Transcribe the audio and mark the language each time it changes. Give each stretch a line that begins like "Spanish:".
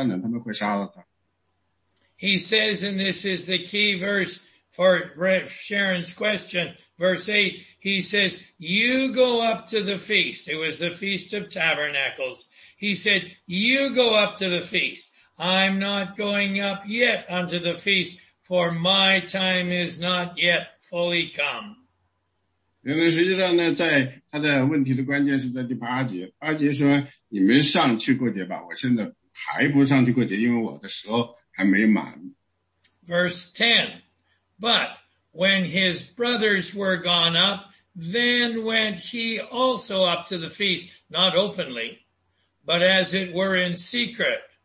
Chinese: 因为主耶稣基本上是躲在那里，他躲在加利利，躲在约旦河的对岸，他没有上耶路撒冷去。如果他去耶路撒冷，他们会杀了他。
English: He says, and this is the key verse for Sharon's question, verse 8, he says, "You go up to the feast." It was the Feast of Tabernacles. He said, "You go up to the feast. I'm not going up yet unto the feast, for my time is not yet fully come."
Chinese: 因为实际上呢，在他的问题的关键是在第八节。八节说：“你们上去过节吧，我现在还不上去过节，因为我的时候还没满。”
English: Verse 10, but when his brothers were gone up, then went he also up to the feast, not openly, but as it were in secret.